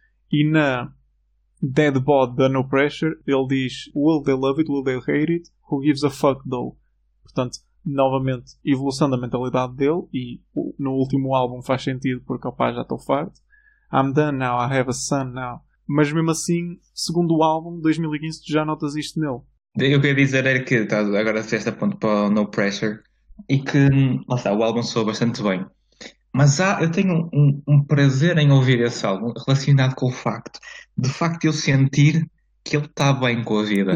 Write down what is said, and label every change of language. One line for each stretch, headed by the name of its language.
Portuguese: E na Dead Bod da No Pressure, ele diz:
English: Will they love it, will they hate it, who gives a fuck though.
Portuguese: Portanto, novamente, evolução da mentalidade dele, e no último álbum faz sentido porque, opá, já estou farto.
English: I'm done now, I have a son now.
Portuguese: Mas mesmo assim, segundo álbum, 2015, tu já notas isto nele. Eu queria dizer é que tá, agora fizeste a ponto para o No Pressure e que lá está, o álbum soa bastante bem. Mas eu tenho um prazer em ouvir esse álbum relacionado com o facto de facto eu sentir que ele está bem com a vida.